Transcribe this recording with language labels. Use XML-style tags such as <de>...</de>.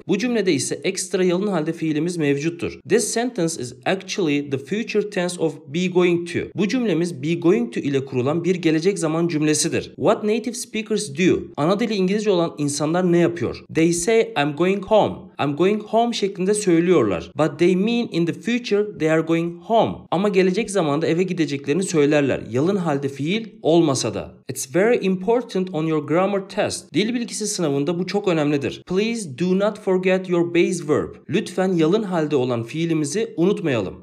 <tr>Bu cümlede ise ekstra yalın halde fiilimiz mevcuttur.</tr> <en>This sentence is actually the future tense of be going to.</en> <tr>Bu cümlemiz be going to ile kurulan bir gelecek zaman cümlesidir.</tr> <en>What native speakers do?</en> <tr>Ana dili İngilizce olan insanlar ne yapıyor?</tr> <en>They say I'm going home. I'm going home</en> <tr>şeklinde söylüyorlar.</tr> <en>But they mean in the future they are going home.</en> <tr>Ama gelecek zamanda eve gideceklerini söylerler. Yalın halde fiil olmasa da.</tr> <en>It's very important on your grammar test.</en> <tr>Dil bilgisi sınavında bu çok önemlidir.</tr> <en>Please do not forget your base verb.</en> <tr>Lütfen yalın halde olan fiilimizi unutmayalım.</tr>